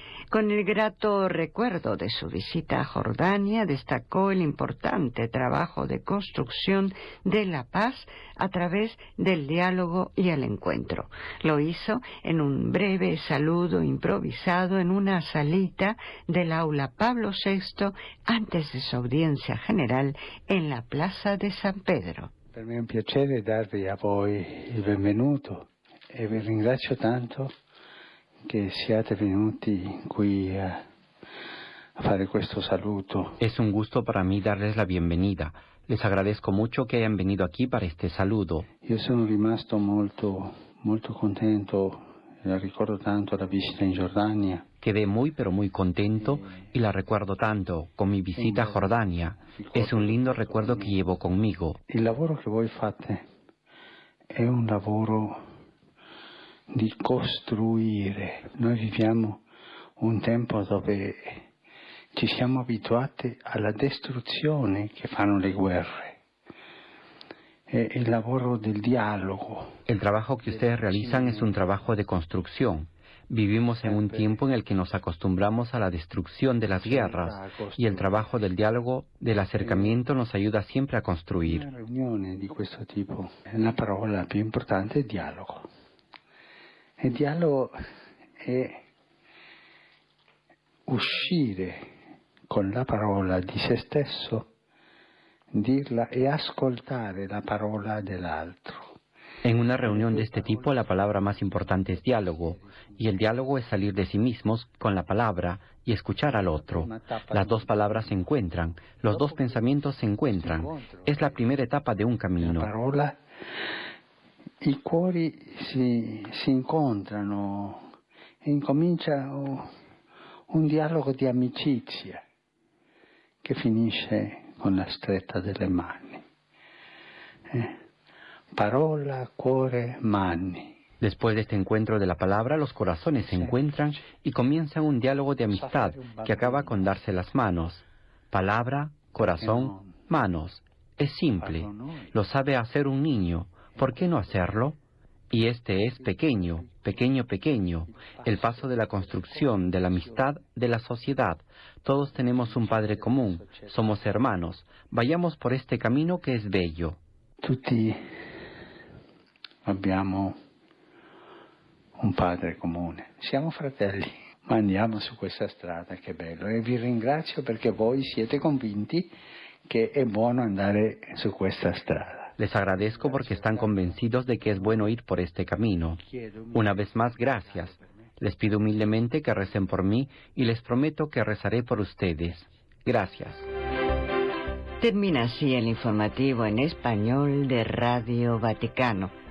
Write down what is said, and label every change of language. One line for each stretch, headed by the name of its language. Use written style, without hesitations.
Spanish: Con el grato recuerdo de su visita a Jordania, destacó el importante trabajo de construcción de la paz a través del diálogo y el encuentro. Lo hizo en un breve saludo improvisado en una salita del aula Pablo VI antes de su audiencia general en la Plaza de San Pedro.
Italian: Per me è un piacere darvi a voi il benvenuto e vi ringrazio tanto che siate venuti qui a fare questo saluto.
Spanish: Es un gusto para mí darles la bienvenida. Les agradezco mucho que hayan venido aquí para este saludo.
Italian: Io sono rimasto molto, molto contento, ricordo tanto la visita in Giordania.
Spanish: Quedé muy, pero muy contento y la recuerdo tanto con mi visita a Jordania. Es un lindo recuerdo que llevo conmigo.
Italian: El lavoro que voi fate es un lavoro di costruire. Noi viviamo un tempo dove ci siamo abituati alla distruzione che fanno le guerre. E il lavoro del dialogo.
Spanish: El trabajo que ustedes realizan es un trabajo de construcción. Vivimos en un tiempo en el que nos acostumbramos a la destrucción de las guerras y el trabajo del diálogo, del acercamiento, nos ayuda siempre a construir. Una reunión de este tipo, la palabra más importante es diálogo. El diálogo es
Italian: uscire
Spanish: con la palabra de
Italian: se stesso,
Spanish: dirla y escuchar la palabra del otro. En una reunión de este tipo, la palabra más importante es diálogo, y el diálogo es salir de sí mismos con la palabra y escuchar al otro. Las dos palabras se encuentran, los dos pensamientos se encuentran. Es la primera etapa de un camino. La palabra,
Italian: i cuori si incontrano e incomincia un dialogo di amicizia che finisce con la stretta delle mani. Parola, cuore, mani.
Spanish: Después de este encuentro de la palabra, los corazones se encuentran y comienzan un diálogo de amistad que acaba con darse las manos. Palabra, corazón, manos. Es simple. Lo sabe hacer un niño. ¿Por qué no hacerlo? Y este es pequeño, pequeño, pequeño, el paso de la construcción, de la amistad, de la sociedad. Todos tenemos un padre común, somos hermanos. Vayamos por este camino que es bello.
Italian: Tutti abbiamo un padre comune. Siamo fratelli. Ma andiamo su questa strada, che bello. E vi ringrazio perché voi siete convinti che è buono andare su questa strada.
Spanish: Les agradezco porque están convencidos de que es bueno ir por este camino. Una vez más, gracias. Les pido humildemente que recen por mí y les prometo que rezaré por ustedes. Gracias. Termina así el informativo en español de Radio Vaticano.